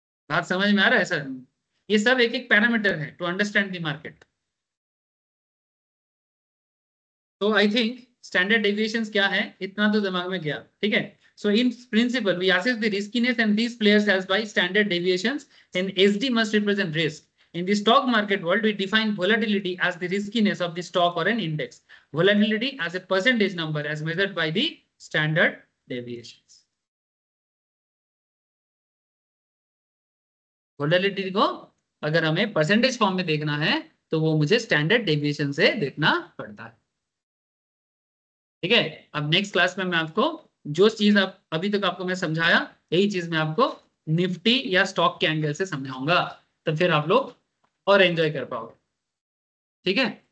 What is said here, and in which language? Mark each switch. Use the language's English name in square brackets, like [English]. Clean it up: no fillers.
[Hindi] बात समझ में आ रहा है सर, ये सब एक एक पैरामीटर है [English] To understand the market. [Hindi] तो आई थिंक स्टैंडर्ड डेविएशंस क्या है इतना तो दिमाग में गया, ठीक है। [English] So in principle, we assess the riskiness and these players as by standard deviations and SD must represent risk. In the stock market world, we define volatility as the riskiness of the stock or an index. Volatility as a percentage number as measured by the standard deviations. [Hindi] Volatility को अगर हमें percentage form में देखना है तो वो मुझे standard deviation से देखना पड़ता है, ठीक है। अब next class में मैं आपको जो चीज आप अभी तक आपको मैं समझाया यही चीज मैं आपको निफ्टी या स्टॉक के एंगल से समझाऊंगा, तो फिर आप लोग और एंजॉय कर पाओगे, ठीक है।